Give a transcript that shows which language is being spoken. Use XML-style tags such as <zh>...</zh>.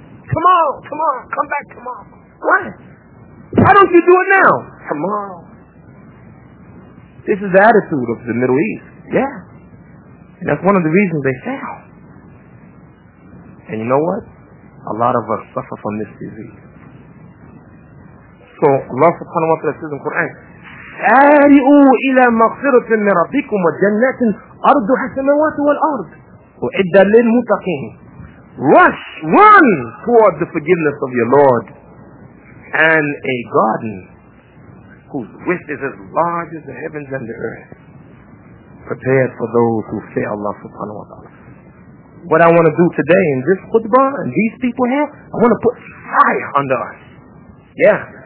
<en>Tomorrow, tomorrow, come back tomorrow. Why don't you do it now? Tomorrow. This is the attitude of the Middle East. Yeah. And that's one of the reasons they fail. And you know what? A lot of us suffer from this disease. So Allah subhanahu wa ta'ala says in the Quran,</en> <ar>سَارِئُوا إِلَى مَغْفِرَةٍ مِّن رَبِّكُمْ وَجَنَّةٍ أَرْضُهَا السَّمَاوَاتُ وَالْأَرْضُ وَعِدَّةٌ لِّلْمُتَّقِينَ.</ar> <en>Rush, run toward the forgiveness of your Lord and a garden whose width is as large as the heavens and the earth, prepared for those who fear Allah subhanahu wa ta'ala. What I want to do today in this khutbah and these people here, I want to put fire under us. Yeah.</en>